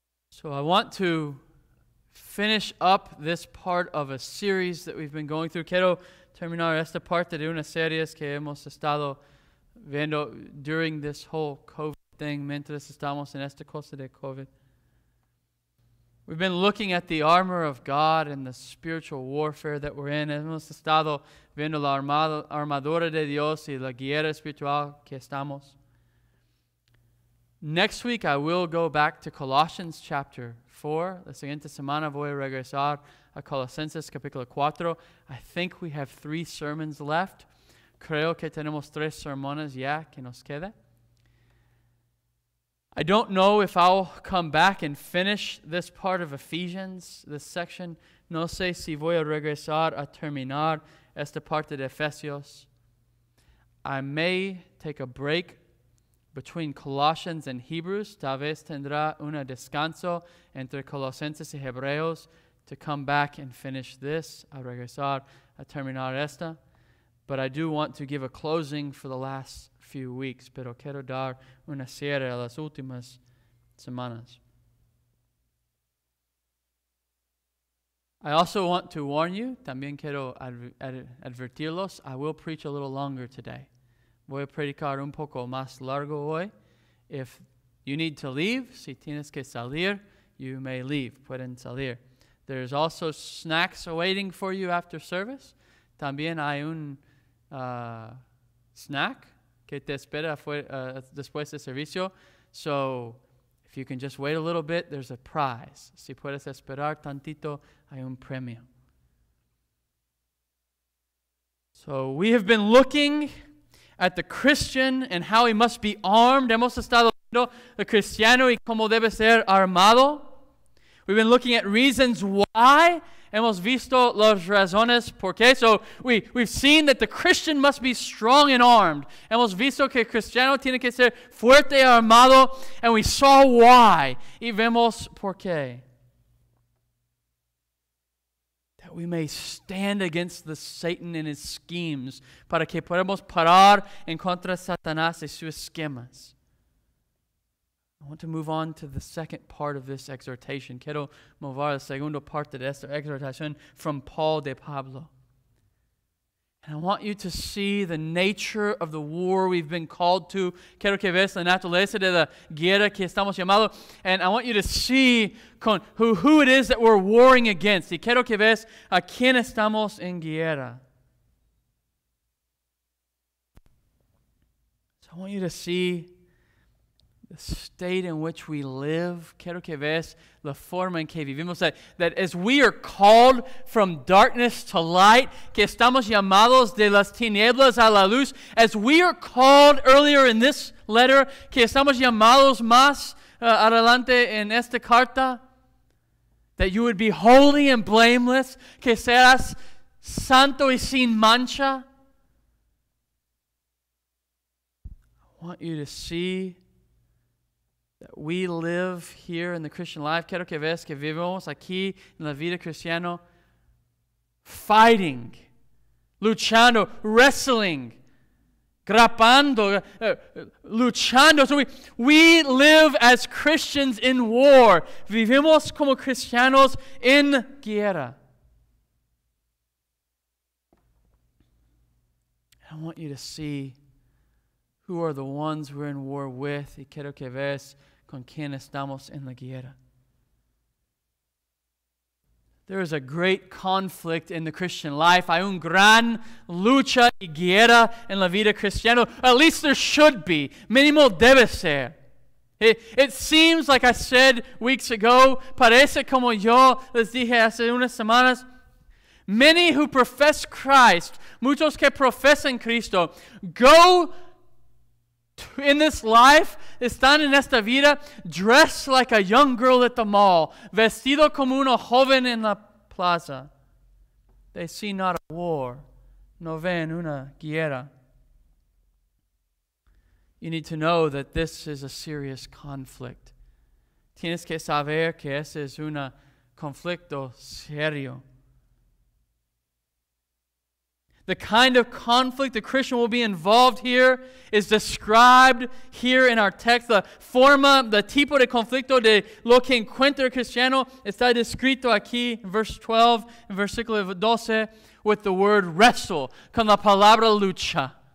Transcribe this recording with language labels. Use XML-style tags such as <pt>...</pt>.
<en>So I want to finish up this part of a series that we've been going through.</en> <es>Quiero terminar esta parte de una serie que hemos estado viendo</es> <en>during this whole COVID thing,</en> <es>mientras estamos en esta cosa de COVID.</es> <en>We've been looking at the armor of God and the spiritual warfare that we're in.</en> <es>Hemos estado viendo la armadura de Dios y la guerra espiritual que estamos.</es> <en>Next week, I will go back to Colossians chapter 4.</en> <es>La siguiente semana voy a regresar a Colosenses capítulo 4.</es> <en>I think we have 3 sermons left.</en> <es>Creo que tenemos 3 sermones ya que nos queda.</es> <en>I don't know if I'll come back and finish this part of Ephesians, this section.</en> <es>No sé si voy a regresar a terminar esta parte de Efesios.</es> <en>I may take a break between Colossians and Hebrews.</en> <es>Tal vez tendrá un descanso entre Colosenses y Hebreos</es> <en>to come back and finish this,</en> <es>a regresar a terminar esta.</es> <en>But I do want to give a closing for the last few weeks,</en> <es>pero quiero dar una cierre a las últimas semanas.</es> <en>I also want to warn you,</en> <es>también quiero advertirlos,</es> <en>I will preach a little longer today.</en> <es>Voy a predicar un poco más largo hoy.</es> <en>If you need to leave,</en> <es>si tienes que salir,</es> <en>you may leave,</en> <es>pueden salir.</es> <en>There's also snacks awaiting for you after service.</en> <es>También hay un snack que te espera después de servicio.</es> <en>So if you can just wait a little bit, there's a prize.</en> <es>Si puedes esperar tantito, hay un premio.</es> <en>So we have been looking at the Christian and how he must be armed.</en> <es>Hemos estado viendo el cristiano y cómo debe ser armado.</es> <en>We've been looking at reasons why.</en> <es>Hemos visto las razones por qué.</es> <en>So we've seen that the Christian must be strong and armed.</en> <es>Hemos visto que el cristiano tiene que ser fuerte y armado. And we saw why. Y vemos por qué.</es> <en>That we may stand against the Satan and his schemes.</en> <es>Para que podamos parar en contra Satanás y sus esquemas.</es> <en>I want to move on to the second part of this exhortation.</en> <es>Quiero mover la segunda parte de esta exhortación</es> <en>from Paul</en> <es>de Pablo.</es> <en>And I want you to see the nature of the war we've been called to.</en> <es>Quiero que veas la naturaleza de la guerra que estamos llamados.</es> <en>And I want you to see who it is that we're warring against.</en> <es>Y quiero que veas a quién estamos en guerra.</es> <en>So I want you to see the state in which we live.</en> <es>Quiero que veas la forma en que vivimos.</es> <en>That as we are called from darkness to light,</en> <es>que estamos llamados de las tinieblas a la luz.</es> <en>As we are called earlier in this letter,</en> <es>que estamos llamados más adelante en esta carta.</es> <en>that you would be holy and blameless,</en> <es>que seas santo y sin mancha.</es> <en>I want you to see that we live here in the Christian life.</en> <es>Quiero que veas que vivimos aquí en la vida cristiana,</es> <en>fighting,</en> <es>luchando,</es> <en>wrestling,</en> <es>grappando, luchando.</es> <en>So we live as Christians in war.</en> <es>Vivimos como cristianos en guerra.</es> <en>I want you to see who are the ones we're in war with.</en> <es>Y quiero que veas con quien estamos en la guerra.</es> <en>There is a great conflict in the Christian life.</en> <es>Hay un gran lucha y guerra en la vida cristiana.</es> <en>At least there should be.</en> <es>Mínimo debe ser.</es> <en>It seems like I said weeks ago,</en> <es>parece como yo les dije hace unas semanas,</es> <en>many who profess Christ,</en> <es>muchos que profesan Cristo,</es> <en>go in this life,</en> <es>están en esta vida,</es> <en>dressed like a young girl at the mall,</en> <es>vestido como una joven en la plaza.</es> <en>They see not a war,</en> <es>no ven una guerra.</es> <en>You need to know that this is a serious conflict.</en> <es>Tienes que saber que ese es un conflicto serio.</es> <en>The kind of conflict the Christian will be involved here is described here in our text.</en> <es>The forma, the tipo de conflicto de lo que encuentra el cristiano está descrito aquí</es> <en>in verse 12,</en> <es>in versículo 12,</es> <en>with the word wrestle,</en> <es>con la palabra lucha.</es>